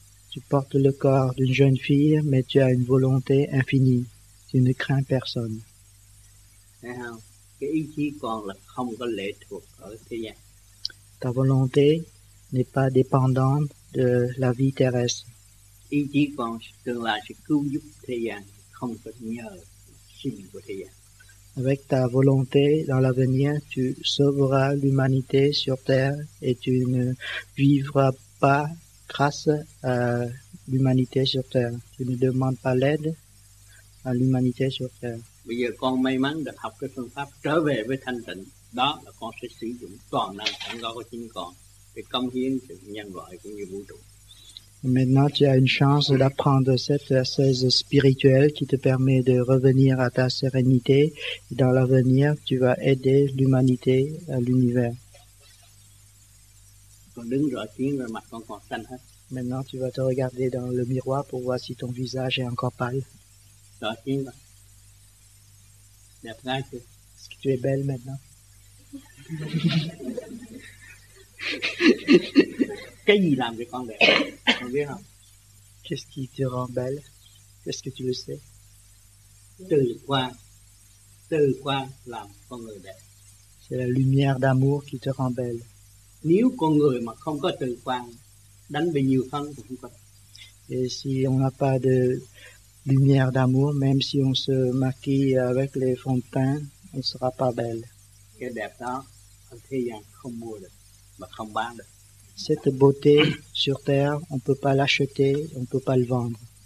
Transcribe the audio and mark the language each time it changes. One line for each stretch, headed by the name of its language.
French: Tu portes le corps d'une jeune fille, mais tu as une volonté infinie. Tu ne crains personne.
Vietnamese: Cái ý chí con là không có lệ thuộc ở thế gian.
French: Ta volonté n'est pas dépendante de la vie terrestre.
Vietnamese: Ý chí con tương lai sẽ cứu giúp thế gian, không có nhờ sinh của thế gian.
French: Avec ta volonté, dans l'avenir, tu sauveras l'humanité sur terre et tu ne vivras pas grâce à l'humanité sur terre. Tu ne demandes pas l'aide à l'humanité sur terre.
Vietnamese: Bây giờ con may mắn được học cái phương pháp trở về với thanh tịnh, đó là con sẽ sử dụng toàn năng sẵn có của chính con để công hiến sự nhân loại cũng như vũ trụ.
French: Maintenant, tu as une chance d'apprendre cette assise spirituelle qui te permet de revenir à ta sérénité. Et dans l'avenir, tu vas aider l'humanité à l'univers. Maintenant, tu vas te regarder dans le miroir pour voir si ton visage est encore pâle. Est-ce que tu es belle maintenant?
Vietnamese: Cái gì làm cho con đẹp? Con biết không?
French: Qu'est-ce qui te rend belle? Qu'est-ce que tu le sais?
Vietnamese: Từ quang làm con người đẹp.
French: C'est la lumière d'amour qui te rend belle.
Vietnamese: Nếu con người mà không có từ quang, đánh bị nhiều phân cũng không có.
French: Et si on n'a pas de lumière d'amour, même si on se maquille avec les fonds de teint, on ne sera pas belle.
Vietnamese: Cái đẹp đó, ở thế gian không mua được, mà không bán được.
French: Cette beauté sur terre, on ne peut pas l'acheter, on ne peut pas le vendre.